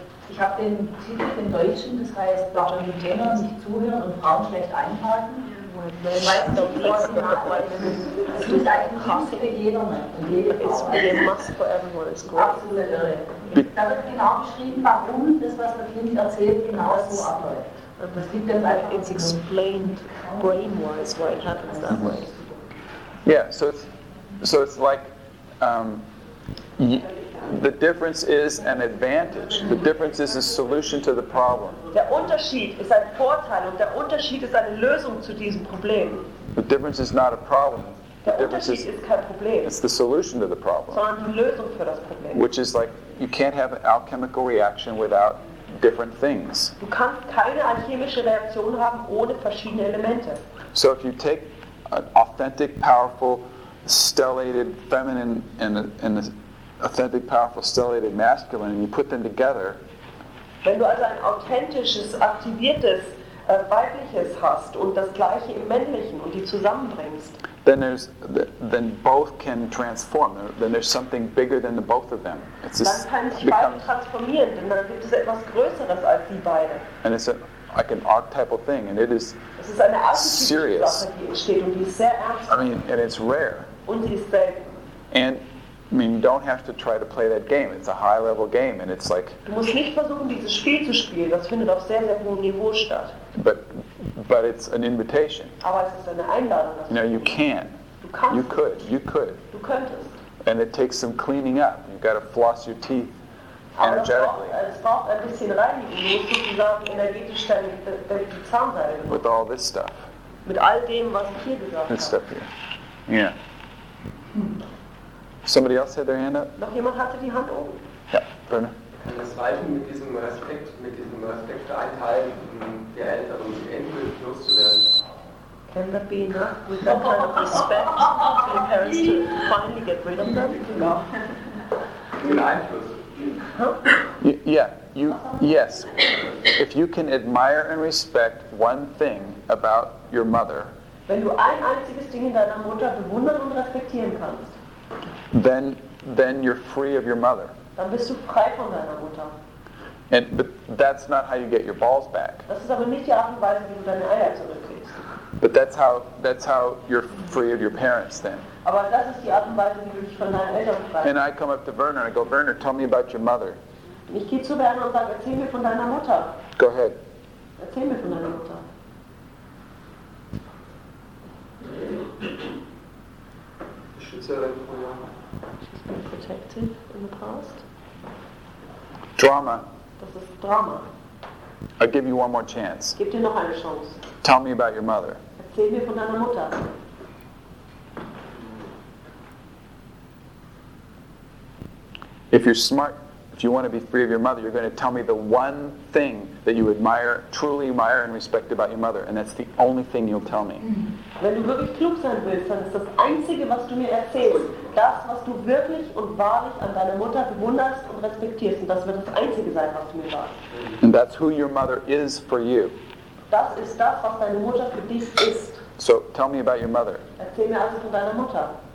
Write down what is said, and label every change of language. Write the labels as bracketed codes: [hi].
[de] Ich habe den Titel im Deutschen, das heißt, Frauen und Männer nicht zuhören und Frauen schlecht einhalten. [en] It's explained brain-wise why it happens that way. Yeah, so it's like the difference is an advantage. The difference is a solution to the problem. [de] Der Unterschied ist ein Vorteil und der Unterschied ist eine Lösung zu diesem Problem. [en] The difference is not a problem. [de] Der Unterschied ist kein Problem. [en] It's the solution to the problem. [de] Sondern die Lösung für das Problem. [en] Which is like you can't have an alchemical reaction without different things. [de] Du kannst keine alchemische Reaktion haben ohne verschiedene Elemente. [en] So if you take an authentic, powerful, stellated feminine and a authentic, powerful, stellated masculine, and you put them together. [de] Wenn du also ein authentisches, aktiviertes weibliches hast und das gleiche im männlichen und die zusammenbringst, [en] then both can transform. Then there's something bigger than the both of them. It's just [de] dann kann sich beide transformieren, denn dann gibt es etwas Größeres als die beide. [en] And it's like an archetypal thing, and it is [de] es ist eine [en] serious. [de] Sache, die entsteht, und die ist sehr ernst. [en] I mean, and it's rare. [de] Und sie ist selten. [en] And I mean, you don't have to try to play that game. It's a high-level game, and it's like. [de] Du musst nicht versuchen, dieses Spiel zu spielen. Das findet auf sehr, sehr hohem Niveau statt. [en] But it's an invitation. [de] Aber es ist eine Einladung. [en] No, you can. [de] Du kannst. [en] You could. You could. [de] Du könntest. [en] And it takes some cleaning up. You've got to floss your teeth energetically. [de] Aber es braucht ein bisschen Reinigung. Du musst sozusagen energetisch deine Zahnseide benutzen. [en] With all this stuff. [de] Mit all dem, was ich hier gesagt habe. [en] This stuff here. Yeah. Somebody else had their hand up? [de] Noch jemand hatte die Hand oben? Ja, Werner. Kann das reichen, mit diesem Respekt der Einteilung der Eltern und die Enkel loszuwerden? [en] Can that be enough with that kind of respect to the parents to finally get rid of them? [de] Ja. Den Einfluss. [en] Yes. If you can admire and respect one thing about your mother, [de] wenn du ein einziges Ding in deiner Mutter bewundern und respektieren kannst, [en] Then you're free of your mother. [de] Dann bist du frei von deiner Mutter. [en] But that's not how you get your balls back. [de] Das ist aber nicht die Art und Weise, wie du deine Eier zurückkriegst. [en] But that's how you're free of your parents then. [de] Aber das ist die Art und Weise, wie du dich von deinen Eltern befreist. [en] And I come up to Werner and I go, Werner, tell me about your mother. [de] Ich gehe zu Werner und sage, erzähl mir von deiner Mutter. [en] Go ahead. [de] Erzähl mir von deiner Mutter. [en] She's been protective in the past. Drama. [de] Das ist Drama. [en] I give you one more chance. [de] Gib dir noch eine Chance. [en] Tell me about your mother. [de] Erzähl mir von deiner Mutter. [en] If you're smart, if you want to be free of your mother, you're going to tell me the one thing that you admire, truly admire and respect about your mother, and that's the only thing you'll tell me. [de] Wenn du wirklich klug sein willst, dann ist das Einzige, was du mir erzählst, das, was du wirklich und wahrlich an deiner Mutter bewunderst und respektierst, und das wird das Einzige sein, was du mir sagst. [en] And that's who your mother is for you. [de] Das ist das, was deine Mutter für dich ist. [en] So, tell me about your mother. [de] Erzähl mir also von deiner Mutter.